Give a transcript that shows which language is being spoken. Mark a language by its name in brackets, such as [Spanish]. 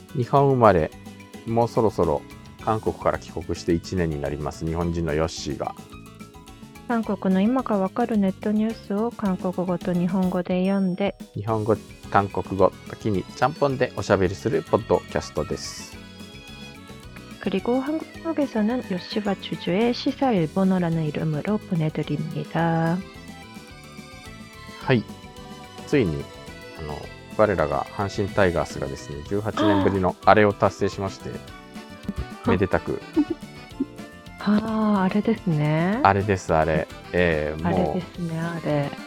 [Japanese] 日本生まれもうそろそろ韓国から帰国して1年になります日本人のヨッシーが、韓国の今がわかるネットニュースを韓国語と日本語で読んで、日本語韓国語時にちゃんぽんでおしゃべりするポッドキャストです。 [Korean] 그리고한국에서는요시와주주의시사일본어라는이름으로보내드립니다。 [Japanese] はい、ついに我らが阪神タイガースがですね、18年ぶりのアレを達成しまして、めでたく。ああ、あれですね。あれです、あれ。もうあれですね、あれ。